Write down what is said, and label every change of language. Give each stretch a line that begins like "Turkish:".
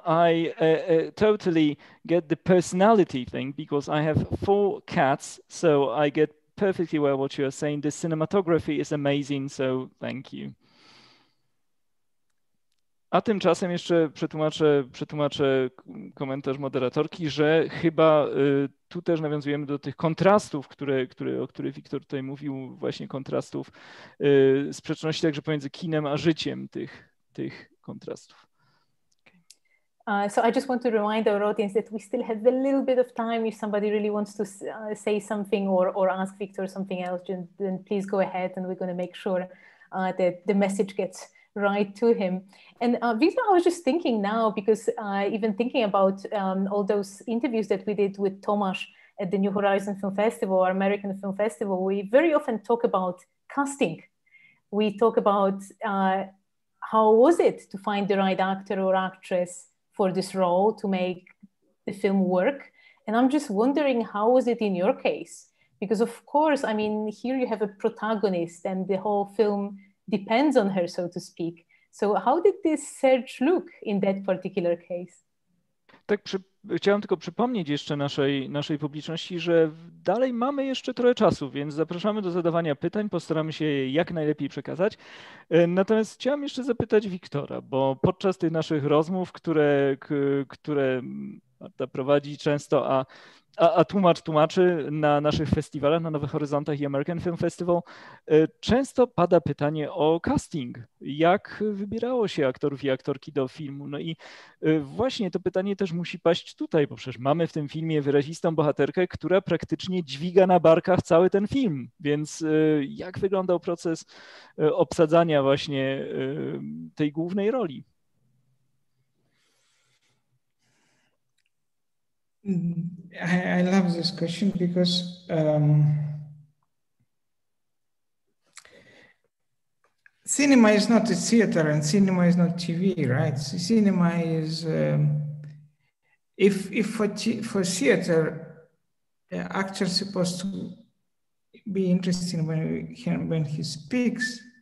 English: I totally get the personality thing because I have 4 cats, so I get perfectly well what you are saying. The cinematography is amazing, so thank you.
Polish: A tymczasem jeszcze przetłumaczę komentarz moderatorki, że chyba tu też nawiązujemy do tych kontrastów, o których Wiktor tutaj mówił, właśnie kontrastów, sprzeczności także pomiędzy kinem a życiem tych kontrastów.
English: So I just want to remind our audience that we still have a little bit of time. If somebody really wants to say something or ask Wiktor something else, then please go ahead and we're going to make sure that the message gets right to him. And Victor, I was just thinking now, because even thinking about all those interviews that we did with Tomasz at the New Horizon Film Festival, our American Film Festival, we very often talk about casting. we talk about how was it to find the right actor or actress for this role to make the film work. And I'm just wondering, how was it in your case? Because of course, I mean, here you have a protagonist and the whole film depends on her, so to speak. So how did this search look in that particular case?
Polish: Tak, chciałem tylko przypomnieć jeszcze naszej publiczności, że dalej mamy jeszcze trochę czasu, więc zapraszamy do zadawania pytań, postaramy się je jak najlepiej przekazać. Natomiast chciałem jeszcze zapytać Wiktora, bo podczas tych naszych rozmów, które Marta prowadzi często, a tłumacz tłumaczy na naszych festiwalach, na Nowych Horyzontach i American Film Festival, często pada pytanie o casting. Jak wybierało się aktorów i aktorki do filmu? No i właśnie to pytanie też musi paść tutaj, bo przecież mamy w tym filmie wyrazistą bohaterkę, która praktycznie dźwiga na barkach cały ten film. Więc jak wyglądał proces obsadzania właśnie tej głównej roli?
English: I love this question because cinema is not a theater and cinema is not TV, right? So cinema is, if for theater, actor supposed to be interesting when he speaks.